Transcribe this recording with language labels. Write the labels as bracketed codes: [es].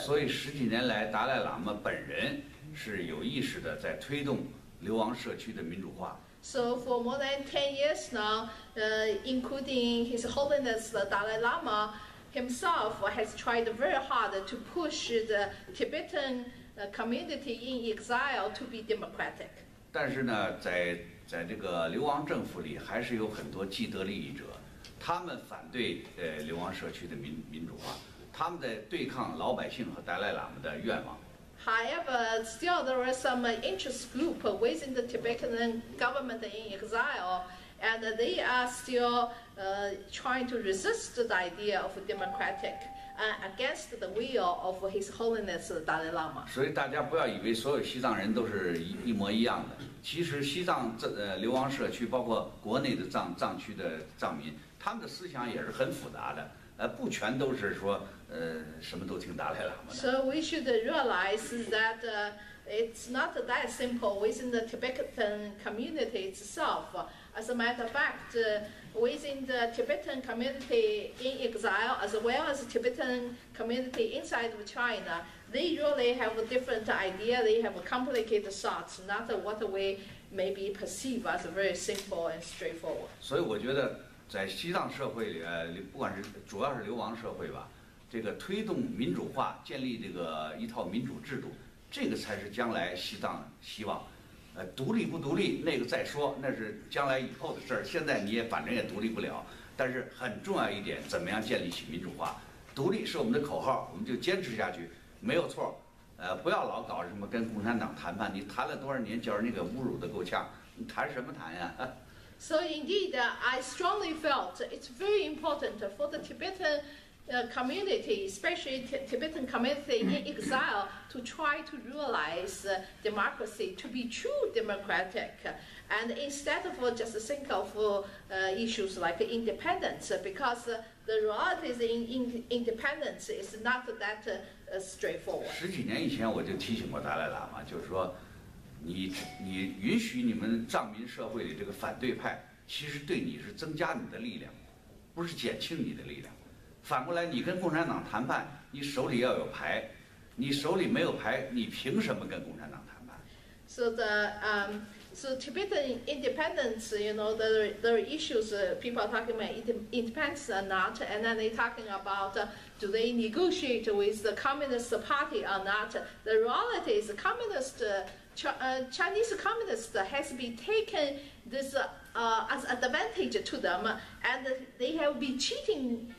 [zh] 所以十几年来，达赖喇嘛本人是有意识的在推动流亡社区的民主化。 [en] So for more than 10 years now, including His Holiness the Dalai Lama himself has tried very hard to push the Tibetan community in exile to be democratic. [zh] 但是呢，在这个流亡政府里，还是有很多既得利益者，他们反对流亡社区的民主化，他们在对抗老百姓和达赖喇嘛的愿望。 [en] However, still there are some interest group within the Tibetan government in exile, and they are still trying to resist the idea of democratic against the will of His Holiness Dalai Lama. [zh] 所以大家不要以为所有西藏人都是一模一样的。其实西藏流亡社区，包括国内的藏区的藏民，他们的思想也是很复杂的。不全都是说，什么都听达赖喇嘛的。 [en] So we should realize that it's not that simple within the Tibetan community itself. As a matter of fact, within the Tibetan community in exile, as well as the Tibetan community inside of China, they really have a different idea. They have a complicated thoughts, not what we maybe perceive as very simple and straightforward. [zh] 所以我觉得。在西藏社会里，不管是主要是流亡社会吧，这个推动民主化，建立这个一套民主制度，这个才是将来西藏希望。独立不独立那个再说，那是将来以后的事儿。现在你也反正也独立不了，但是很重要一点，怎么样建立起民主化？独立是我们的口号，我们就坚持下去，没有错。不要老搞什么跟共产党谈判，你谈了多少年，叫人家给侮辱的够呛，你谈什么谈呀？ [en] So indeed, I strongly felt it's very important for the Tibetan community, especially Tibetan community in exile, to try to realize democracy, to be true democratic. And instead of just think of issues like independence, because the reality is in independence is not that straightforward. [zh] 10几年以前我就提醒过达赖喇嘛，就是说你允许你们藏民社会的这个反对派，其实对你是增加你的力量，不是减轻你的力量。反过来，你跟共产党谈判，你手里要有牌，你手里没有牌，你凭什么跟共产党谈判 [en] ？So the so Tibetan independence, you know, the issues people are talking about independence or not, and then they talking about do they negotiate with the Communist Party or not? The reality is, Communist Chinese Communist has been taken this as advantage to them, and they have been cheating.